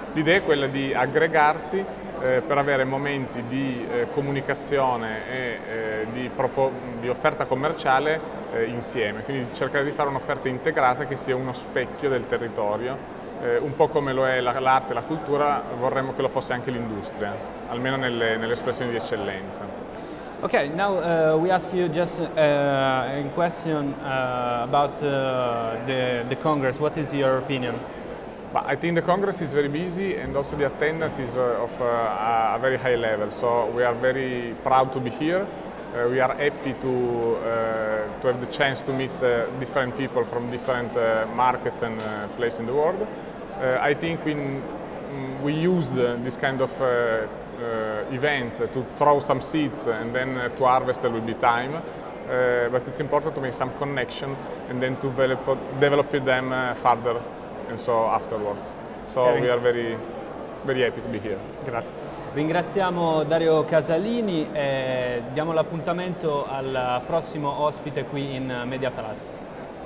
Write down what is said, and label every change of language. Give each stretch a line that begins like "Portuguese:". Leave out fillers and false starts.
Italian: L'idea è quella di aggregarsi per avere momenti di comunicazione e di offerta commerciale insieme, quindi cercare di fare un'offerta integrata che sia uno specchio del territorio, un po' come lo è l'arte e la cultura, vorremmo che lo fosse anche l'industria, almeno nelle espressioni di eccellenza.
English: Ok, now we ask you just a question about the congress. What is your opinion? I think the congress is very busy and also the attendance is of a very high level, so we are very proud to be here. We are happy to have the chance to meet different people from different markets and places in the world. I think we used this kind of event to throw some seeds and then to harvest there will be time. But it's important to make some connection and then to develop them further and so afterwards. So okay. We are very, very happy to be here.
Italian: Grazie. Ringraziamo Dario Casalini e diamo l'appuntamento al prossimo ospite qui in Media Palazzo.